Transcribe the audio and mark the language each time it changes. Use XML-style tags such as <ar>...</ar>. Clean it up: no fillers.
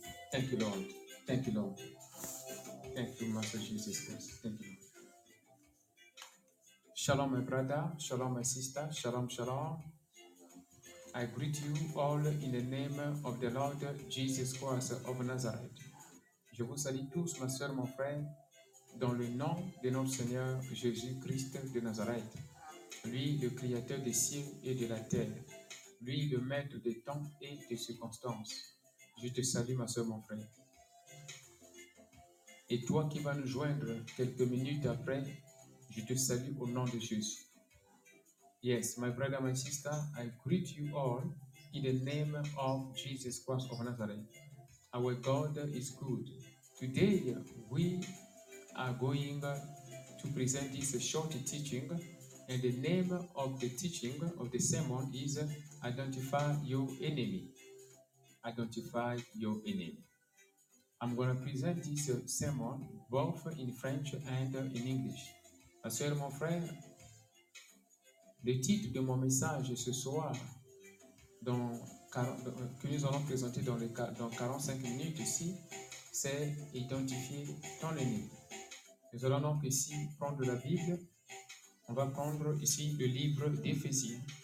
<en>Thank you, Lord. Thank you, Lord. Thank you, Master Jesus Christ. Thank you, Lord. Shalom, my brother. Shalom, my sister. Shalom, shalom. I greet you all in the name of the Lord Jesus Christ of Nazareth.</en> <fr>Je vous salue tous, ma soeur, mon frère, dans le nom de notre Seigneur Jésus-Christ de Nazareth. Lui, le Créateur des cieux et de la terre. Lui, le maître des temps et des circonstances. Je te salue, ma soeur, mon frère. Et toi qui vas nous joindre quelques minutes après, je te salue au nom de Jésus.</fr> <en>Yes, my brother, my sister, I greet you all in the name of Jesus Christ of Nazareth. Our God is good. Today, we are going to present this short teaching, and the name of the teaching, of the sermon, is Identify Your Enemy. Identify Your Enemy. I'm going to present this sermon both in French and in English.</en> <fr>Monsieur, mon frère, le titre de mon message ce soir, que nous allons présenter dans 45 minutes ici, c'est Identifier ton ennemi. Nous allons donc ici prendre la Bible. On va prendre ici le livre d'Éphésiens.</fr>